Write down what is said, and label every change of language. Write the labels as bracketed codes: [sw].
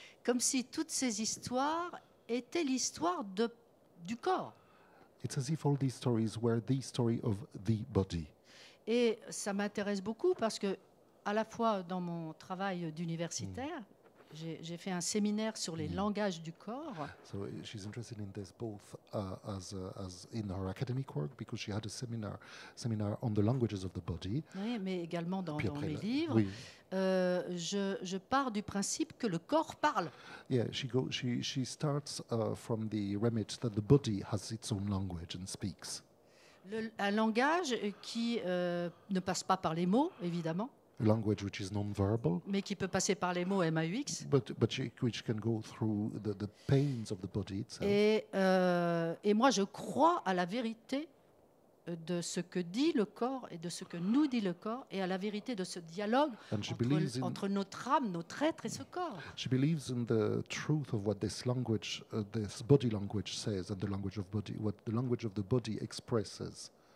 [fr] Comme si toutes ces histoires étaient l'histoire du corps. [en] It's as if all these stories were the story of the body. [fr] Et ça m'intéresse beaucoup parce que, à la fois dans mon travail d'universitaire, j'ai fait un séminaire sur les langages du corps. [en] So she's interested in this both as in her academic work because she had a seminar on the languages of the body. [fr] Oui, mais également dans mes livres. Oui. Je pars du principe que le corps parle. [en] Yeah, she starts from the remit that the body has its own language and speaks. [fr] Un langage qui ne passe pas par les mots, évidemment. [en] A language which is non-verbal. [fr] Mais qui peut passer par les mots MAUX. [en] But which can go through the pains of the body itself. [fr] Et moi, je crois à la vérité de ce que dit le corps et de ce que nous dit le corps et à la vérité de ce dialogue entre notre âme, notre être et ce corps. [en] She believes in the truth of what this language, this body language says and the language of body, what the language of the body expresses.